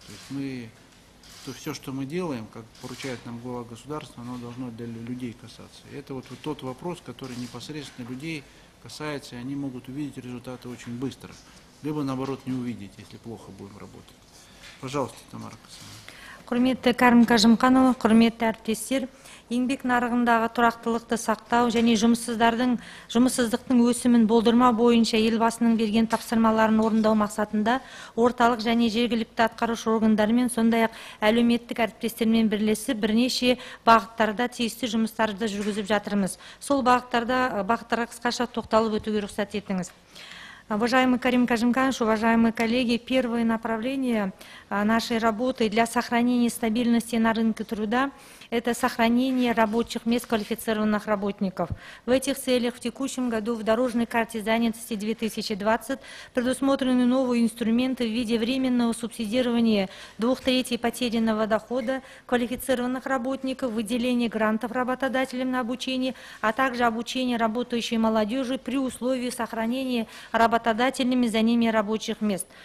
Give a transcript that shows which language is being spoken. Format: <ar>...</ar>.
<ru>То есть все, что мы делаем, как поручает нам глава государства, оно должно для людей касаться. И это вот тот вопрос, который непосредственно людей касается, и они могут увидеть результаты очень быстро. Либо, наоборот, не увидеть, если плохо будем работать. Пожалуйста, Тамара Касымовна.</ru> <kk>Құрметті Кәрім Қажымқанұлы, құрметті әріптестер, еңбек нарығындағы тұрақтылықты сақтау және жұмыссыздықтың өсімін болдырмау бойынша елбасының берген тапсырмаларын орындау мақсатында орталық және жергілікті атқарушы органдармен сондай-ақ әлеуметтік әріптестермен бірлесіп бірнеше бағыттарда тиісті жұмыстарды жүргізіп жатырмыз. Сол бағыттарға қысқаша тоқталып өтуге рұқсат етіңіз.</kk> <ru>Уважаемый Карим Кажимканович, уважаемые коллеги, первое направление нашей работы для сохранения стабильности на рынке труда – это сохранение рабочих мест квалифицированных работников. В этих целях в текущем году в дорожной карте занятости 2020 предусмотрены новые инструменты в виде временного субсидирования 2/3 потерянного дохода квалифицированных работников, выделение грантов работодателям на обучение, а также обучение работающей молодежи при условии сохранения работодателями за ними рабочих мест.</ru>